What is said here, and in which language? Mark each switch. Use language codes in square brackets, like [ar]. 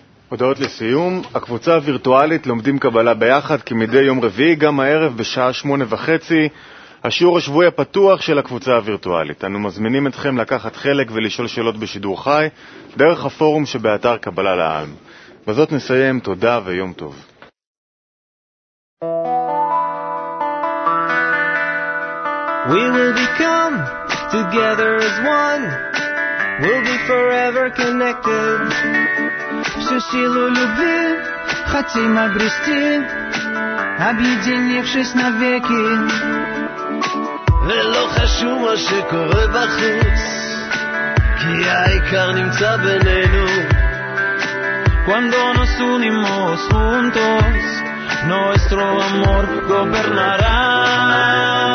[he] הודעות לסיום, הקבוצה הווירטואלית לומדים קבלה ביחד כמדי יום רביעי, גם הערב בשעה 8:30, השיעור השבועי הפתוח של הקבוצה הווירטואלית. אנו מזמינים אתכם לקחת חלק ולשאול שאלות בשידור חי, דרך הפורום שבאתר קבלה לעם. בזאת נסיים, תודה ויום טוב. [en] We will become together as one, we'll be forever connected. [ru] Всю силу любви хотим обрести, объединившись навеки. [he] ולא חשוב מה שקורה בחוץ, כי העיקר נמצא בינינו. [es] Cuando nos unimos juntos, nuestro amor gobernará.